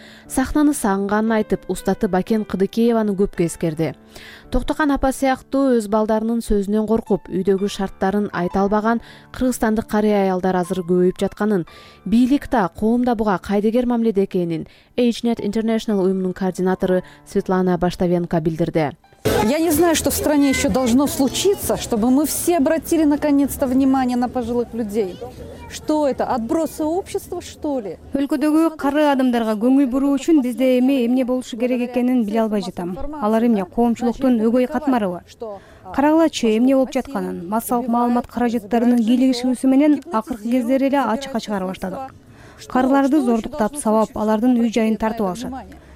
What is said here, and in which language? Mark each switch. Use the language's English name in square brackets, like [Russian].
[Kyrgyz] Сахнаны сагынганын айтып, устаты Бакен Кыдыкееваны көпкө эскерди. Токтокан апа сыяктуу өз балдарынын сөзүнөн коркуп, үйдөгү шарттарын айта албаган кыргызстандык карыя аялдар азыр көбөйүп жатканын, бийлик да, коом да буга кайдыгер мамиледе экенин HNET International уюмунун координатору Светлана Баштавенко билдирди. [Russian] Я не знаю, что в стране еще должно случиться, чтобы мы все обратили наконец-то внимание на пожилых людей. Что это? Отбросы общества, что ли? [Kyrgyz] Өлкөдөгү кары адамдарга көңүл буруу үчүн бизде эми эмне болушу керек экенин биле албай жатам. Алар эмне коомчулуктун өгөй катмарыбы? Каралачы эмне болуп жатканын, массалык маалымат каражаттарынын кийлигишүүсү менен акыркы кездери эле ачыкка чыгарып баштадык. Карыларды зордуктап сабап, алардын үй жайын тартып алышат.